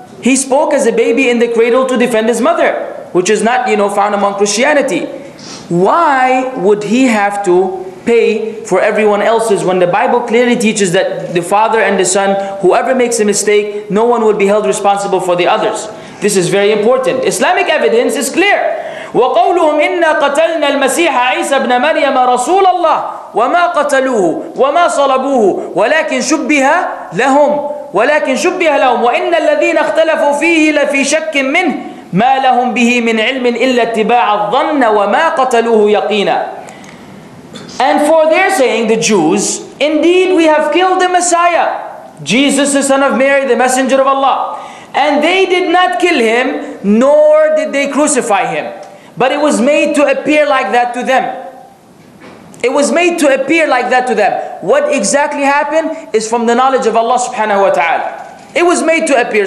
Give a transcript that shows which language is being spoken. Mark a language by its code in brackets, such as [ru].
[en] He spoke as a baby in the cradle to defend His mother, which is not, you know, found among Christianity. Why would He have to pay for everyone else's when the Bible clearly teaches that the father and the son, whoever makes a mistake, no one will be held responsible for the others? This is very important. Islamic evidence is clear. [ar] وقولهم إن قتلنا المسيح عيسى بن مريم رسول الله وما قتلوه وما صلبوه ولكن شبه لهم وإن الذين اختلفوا فيه لفي شك منه ما لهم به من علم إلا اتباع الظن وما قتلوه يقينا. [en] And for their saying, the Jews, indeed we have killed the Messiah, Jesus the son of Mary, the messenger of Allah, and they did not kill him, nor did they crucify him. But it was made to appear like that to them. It was made to appear like that to them. What exactly happened is from the knowledge of Allah subhanahu wa ta'ala. It was made to appear.